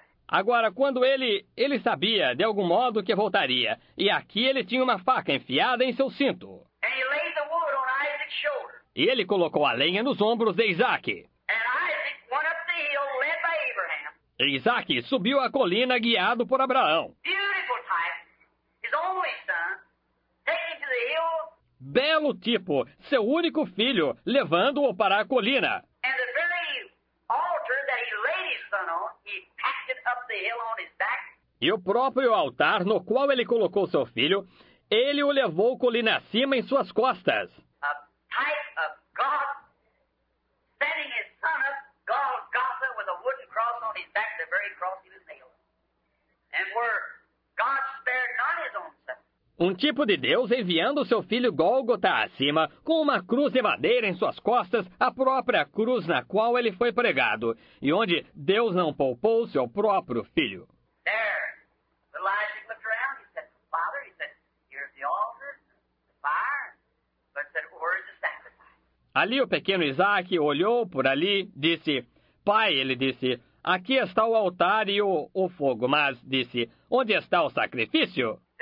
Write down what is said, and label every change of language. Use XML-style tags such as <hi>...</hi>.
<pt>Agora, quando ele sabia, de algum modo, que voltaria. E aqui ele tinha uma faca enfiada em seu cinto.</pt> <en>And he laid the wood on Isaac's shoulder.</en> <pt>E ele colocou a lenha nos ombros de Isaac.</pt> <en>And Isaac went up the hill, led by Abraham.</en> <pt>Isaac subiu a colina guiado por Abraão.</pt> <en>Beautiful type. His only son, taken to the hill.</en> <pt>Belo tipo, seu único filho, levando-o para a colina.</pt> <en>And the very altar that he laid his son on, he packed it up the hill on his back.</en> <pt>E o próprio altar no qual ele colocou seu filho, ele o levou colina acima em suas costas.</pt> <en>A type of God setting his son up Golgotha with a wooden cross on his back, the very cross he was nailed. And where God spared not his own son.</en> <pt>Um tipo de Deus enviando seu filho Gólgota acima, com uma cruz de madeira em suas costas, a própria cruz na qual ele foi pregado, e onde Deus não poupou seu próprio filho.</pt> <en>There, the Elijah looked around, he said, Father, he said, here's the altar, the fire, but said, where is the sacrifice?</en> <pt>Ali o pequeno Isaac olhou por ali, disse, Pai, ele disse, aqui está o altar e o fogo, mas, disse, onde está o sacrifício?</pt>